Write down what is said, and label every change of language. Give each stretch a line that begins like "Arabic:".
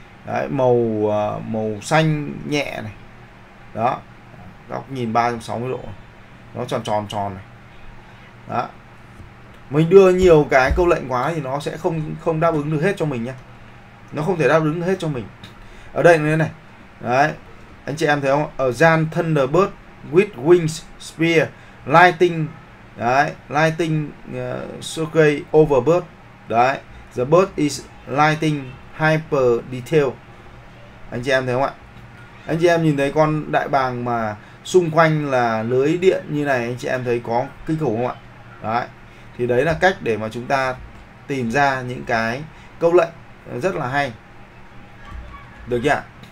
Vietnamese: Đấy, màu màu xanh nhẹ này. Đó. Góc nhìn 360 độ. Nó tròn tròn tròn này. Đó. Mình đưa nhiều cái câu lệnh quá thì nó sẽ không đáp ứng được hết cho mình nhé. Nó không thể đáp ứng hết cho mình. Ở đây này này. Đấy. Anh chị em thấy không?
English: A giant thunderbird with wings, spear, lighting. Đấy, lighting sky over bird. Đấy. The bird is lighting hyper detail.
Vietnamese: Anh chị em thấy không ạ? Anh chị em nhìn thấy con đại bàng mà xung quanh là lưới điện như này, anh chị em thấy có kinh khủng không ạ? Đấy. Thì đấy là cách để mà chúng ta tìm ra những cái câu lệnh rất là hay. Được chưa ạ?